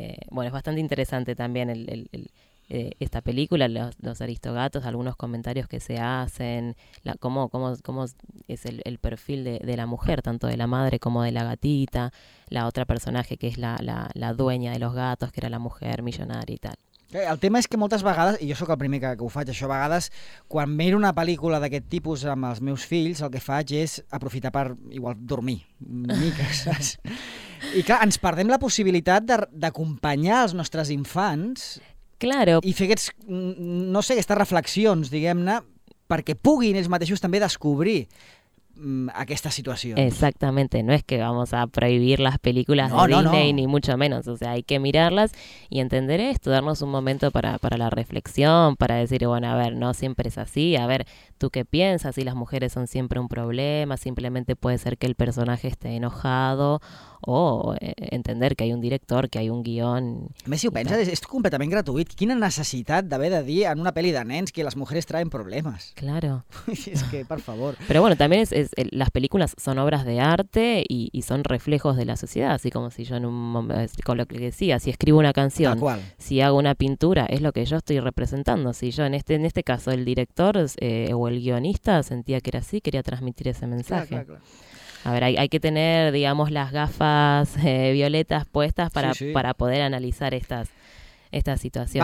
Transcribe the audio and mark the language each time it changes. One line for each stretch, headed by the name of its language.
Spanish: Bueno, es bastante interesante también esta película, los Aristogatos, algunos comentarios que se hacen, cómo es el perfil de la mujer, tanto de la madre como de la gatita, la otra personaje que es la dueña de los gatos, que era la mujer millonaria y tal.
Catalan: El tema és que moltes vegades, i jo sóc el primer que ho faig això, a vegades quan miro una pel·lícula d'aquest tipus amb els meus fills, el que faig és aprofitar per igual dormir una mica, saps? I clar, ens perdem la possibilitat d'acompanyar els nostres infants.
Spanish: Claro.
Catalan: I fer aquests, no sé, aquestes reflexions, diguem-ne, perquè puguin ells mateixos també descobrir aquestes situacions.
Spanish: Exactamente, no es que vamos a prohibir las películas de Disney, ni mucho menos, o sea, hay que mirarlas y entender esto, darnos un momento para la reflexión, para decir, bueno, a ver, no siempre es así, a ver, ¿tú qué piensas? Si las mujeres son siempre un problema, simplemente puede ser que el personaje esté enojado, o entender que hay un director, que hay un guión.
Catalan: A més, si ho penses, és completament gratuït. Quina necessitat d'haver de dir en una pel·li de nens que les
Spanish: mujeres traen
Catalan: problemes.
Spanish: Claro.
Catalan: És que, per favor. Però bueno, també les pel·lícules són obres d'
Spanish: arte
Catalan: i són
Spanish: reflejos
Catalan: de la societat.
Spanish: Así como si yo en un moment, con lo que decía, si escribo una canción, si hago una pintura, es lo que yo estoy representando. Si yo en este caso el director o el guionista sentía que era así, quería transmitir ese mensaje. Claro. A ver, hay que tener, digamos, las gafas violetas puestas para poder analizar estas situacions.